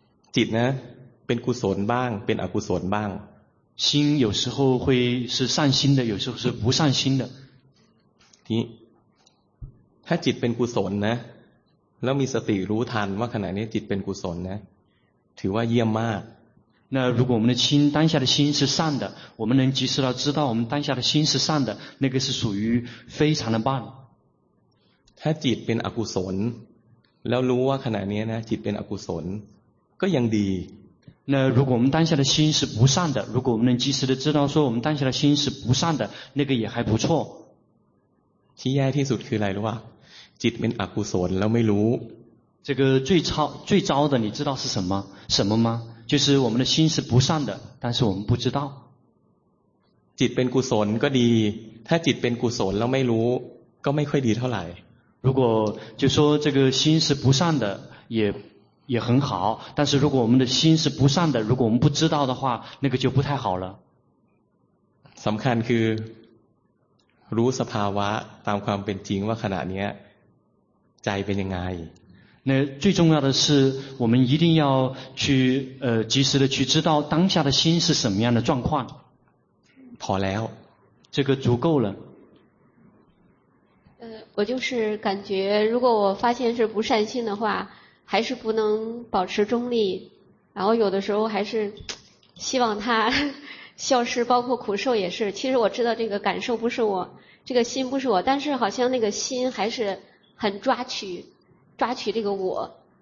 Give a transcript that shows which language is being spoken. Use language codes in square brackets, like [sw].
[th] จิตนะเป็นกุศลบ้างเป็นอกุศลบ้าง [zh] 心有时候会是善心的有时候是不善心的 [th] ทีถ้าจิตเป็นกุศลนะแล้วมีสติรู้ทันว่าขณะนี้จิตเป็นกุศลนะถือว่าเยี่ยมมาก [zh] 那如果我们的心当下的心是善的我们能及时的知道我们当下的心是善的那个是属于非常的棒 [th] ถ้าจิตเป็นอกุศลแล้วรู้ว่าขณะนี้นะจิตเป็นอกุศลก็ยังดี [zh] 那如果我们当下的心是不善的如果我们能及时的知道说我们当下的心是不善的那个也还不错 [th] ที่แย่ที่สุดคืออะไรรู้ป่ะจิตเป็นอกุศลแล้วไม่รู้ [zh] 这个最糟的你知道是什么什么吗就是我们的心是不善的但是我们不知道 [th] จิตเป็นกุศลก็ดีถ้าจิตเป็นกุศลแล้วไม่รู้ก็ไม่ค่อยดีเท่าไหร่ [zh] 如果就说这个心是不善的也很好但是如果我们的心是不善的如果我们不知道的话那个就不太好了 [th] สำคัญคือรู้สภาวะตามความเป็นจริงว่าขณะนี้ใจเป็นยังไง [zh] 那最重要的是我们一定要去及时的去知道当下的心是什么样的状况好了这个足够了我就是感觉如果我发现是不善心的话还是不能保持中立然后有的时候还是希望它消失包括苦受也是其实我知道这个感受不是我这个心不是我但是好像那个心还是很抓取这个我